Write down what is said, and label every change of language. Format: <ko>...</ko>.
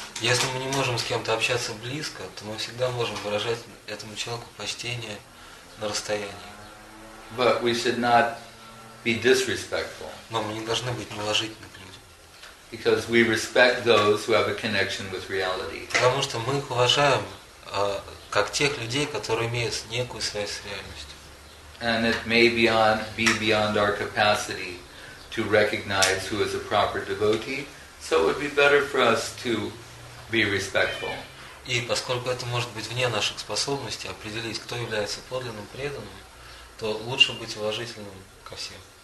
<ru>Если мы не можем с кем-то общаться близко, то мы всегда можем выражать этому человеку почтение на расстоянии.</ru> <en>But we should not be disrespectful.</en> <ru>Но мы не должны быть неуважительны к людям.</ru> <en>Because we respect those who have a connection with reality.</en> <ru>Потому что мы их уважаем как тех людей, которые имеют некую связь с реальностью.</ru> <en>And it may be beyond our capacity to recognize who is a proper devotee, so it would be better for us to be respectful.</en> <ru>И поскольку это может быть вне наших способностей определить, кто является подлинным преданным, то лучше быть уважительным ко всем.</ru>